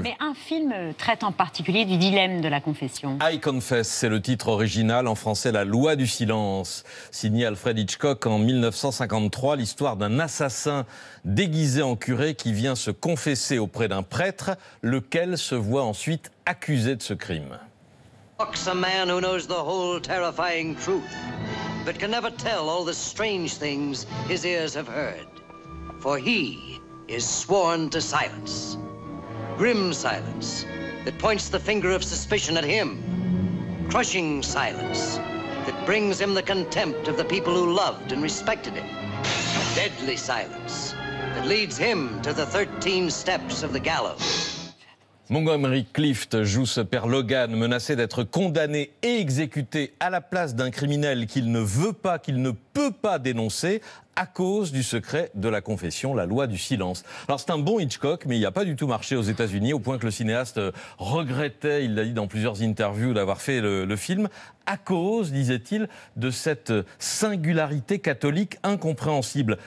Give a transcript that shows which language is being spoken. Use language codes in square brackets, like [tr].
[fr] Mais un film traite en particulier du dilemme de la confession. I Confess, c'est le titre original, en français La loi du silence. Signé Alfred Hitchcock en 1953, l'histoire d'un assassin déguisé en curé qui vient se confesser auprès d'un prêtre, lequel se voit ensuite accusé de ce crime. [en] A man who knows the whole terrifying truth, but can never tell all the strange things his ears have heard. For he is sworn to silence. Grim silence that points the finger of suspicion at him. Crushing silence that brings him the contempt of the people who loved and respected him. Deadly silence that leads him to the 13 steps of the gallows. [fr] Montgomery Clift joue ce père Logan, menacé d'être condamné et exécuté à la place d'un criminel qu'il ne veut pas, qu'il ne peut pas dénoncer à cause du secret de la confession, la loi du silence. Alors c'est un bon Hitchcock, mais il n'y a pas du tout marché aux États-Unis, au point que le cinéaste regrettait, il l'a dit dans plusieurs interviews, d'avoir fait le film, à cause, disait-il, de cette singularité catholique incompréhensible.